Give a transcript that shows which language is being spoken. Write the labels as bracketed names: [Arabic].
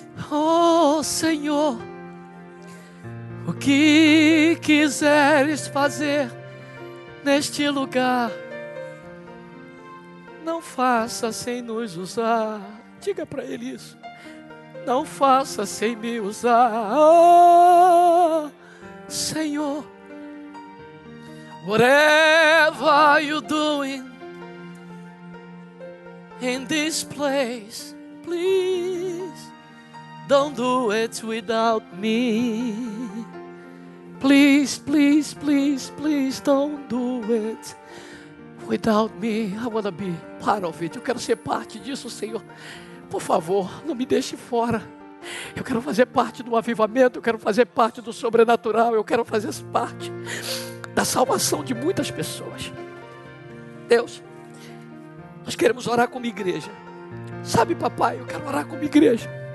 [Portuguese] Oh, Senhor. O que quiseres fazer neste lugar, não faça sem nos usar. Diga para ele isso. Não faça sem me usar, oh, Senhor. [English] Whatever you're doing in this place, please don't do it without me. Please, please, please, please don't do it without me. I want to be part of it. [Portuguese] Eu quero ser parte disso, Senhor. Por favor, não me deixe fora. Eu quero fazer parte do avivamento. Eu quero fazer parte do sobrenatural. Eu quero fazer parte da salvação de muitas pessoas. Deus, nós queremos orar como igreja. Sabe, papai, eu quero orar como igreja.